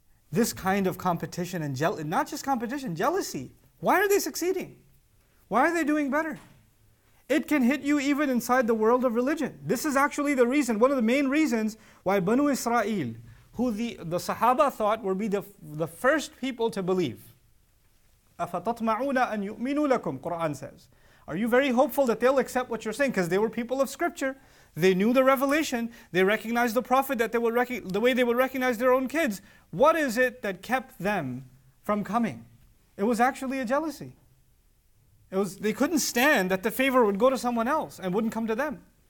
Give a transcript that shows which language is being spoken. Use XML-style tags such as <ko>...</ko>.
<en>This kind of competition and not just competition, jealousy. Why are they succeeding? Why are they doing better? It can hit you even inside the world of religion. This is actually the reason, one of the main reasons why Banu Israel, who the Sahaba thought would be the first people to believe.</en> <ar>أَفَتَطْمَعُونَ أَن يُؤْمِنُوا لَكُمْ,</ar> <en>Quran says. Are you very hopeful that they'll accept what you're saying? Because they were people of scripture. They knew the revelation. They recognized the Prophet that they would the way they would recognize their own kids. What is it that kept them from coming? It was actually a jealousy. They couldn't stand that the favor would go to someone else and wouldn't come to them.</en>